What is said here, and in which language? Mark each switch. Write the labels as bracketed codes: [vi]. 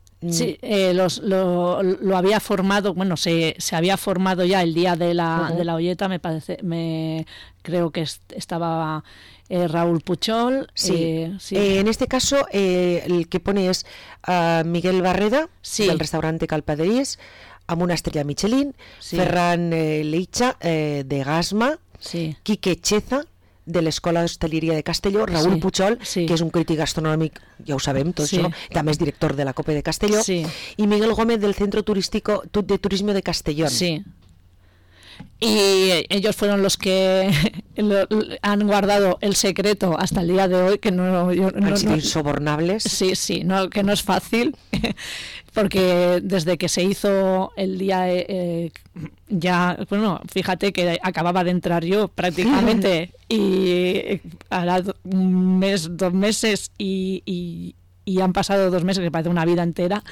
[es] Sí, lo había formado, bueno, se había formado ya el día de la de la olleta, me parece, me creo que estaba Raúl Puchol. Sí, sí. En este caso el que pone es Miguel Barreda, sí, del restaurante Calpaderies, [ca] amb una [es] estrella Michelin, sí. Ferran Leitxa, de Gasma, sí. Quique Cheza, de l'Escola d'Hostaleria de Castelló, Raúl, sí, Puchol, sí, [ca] que és un crític gastronòmic, ja ho sabem tot, sí, això, també és director de la Cope de Castelló, sí, i Miguel Gómez, del Centro Turístico de Turismo de Castelló. Sí. [es] Y ellos fueron los que han guardado el secreto hasta el día de hoy, que no, yo, no han sido insobornables. Sí, sí, no, que no es fácil, porque desde que se hizo el día ya, bueno, fíjate que acababa de entrar yo prácticamente y ahora un mes, dos meses y han pasado dos meses, que parece una vida entera.